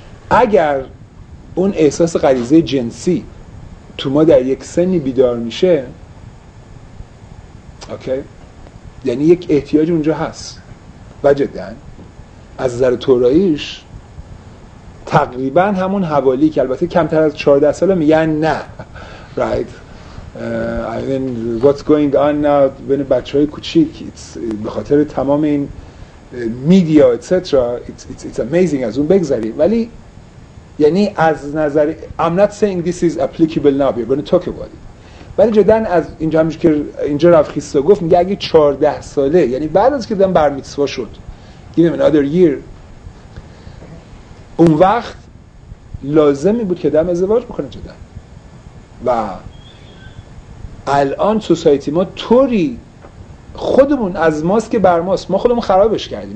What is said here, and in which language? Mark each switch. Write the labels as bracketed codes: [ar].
[fa] اگر اون احساس غریزه جنسی تو ما در یک سنی بیدار میشه، اوکی، یعنی یک احتیاج اونجا هست و جدن از نظر توراییش تقریبا همون حوالی که البته کمتر از 14 سال میگن نه، رایت، [en] I mean what's going on now when [fa] بچه های کوچیک، به خاطر تمام این میدیا اتسترا، [en] it's amazing، [fa] از اون بگذری. ولی یعنی از نظر [en] I'm not saying this is applicable now، we're going to talk about it. [fa] ولی جدن از اینجا همیشه که اینجا رف خیستا گفت، میگه اگه 14 ساله، یعنی بعد از که دادن بر میتسوا شد، [en] give him another year، [fa] اون وقت لازمی بود که دم ازدواج بکنه جدن. و الان سوسایتی ما طوری خودمون از ماست که بر ماست، ما خودمون خرابش کردیم.